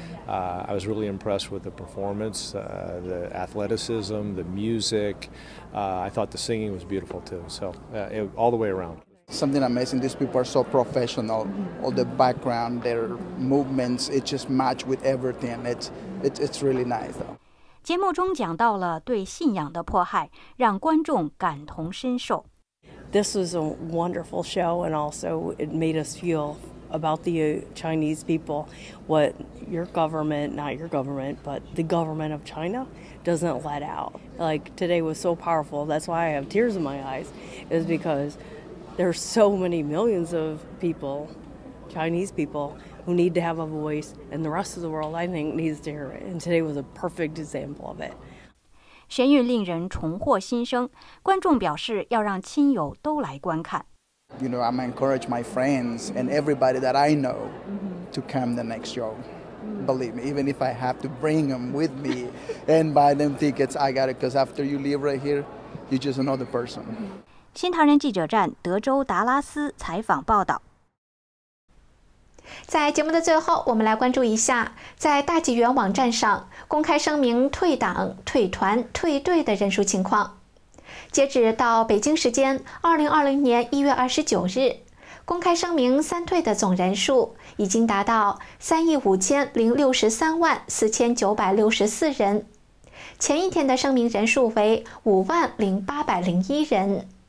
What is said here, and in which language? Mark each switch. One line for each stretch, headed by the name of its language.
English: I was really impressed with the performance, the athleticism, the music. I thought the singing was beautiful too. So, all the way around. Something amazing. These people are so professional. All the background, their movements, it just match with everything. It's really nice, though.
Chinese: 节目中讲到了对信仰的迫害，让观众感同身受。
English: This was a wonderful show, and also it made us feel about the Chinese people, what your government, not your government, but the government of China doesn't let out. Like today was so powerful. That's why I have tears in my eyes, is because. There are so many millions of people, Chinese people, who need to have a voice, and the rest of the world, I think, needs to hear it. And today was a perfect example of it.
Chinese: 神韵令人重获新生，观众表示要让亲友都来观看。
English: You know, I'm encourage my friends and everybody that I know to come the next show. Believe me, even if I have to bring them with me and buy them tickets, I got it. Because after you leave right here, you're just another person.
Chinese: 新唐人记者站德州达拉斯采访报道。在节目的最后，我们来关注一下，在大纪元网站上公开声明退党、退团、退队的人数情况。截止到北京时间2020年1月29日，公开声明三退的总人数已经达到3,503,4964人，前一天的声明人数为50,801人。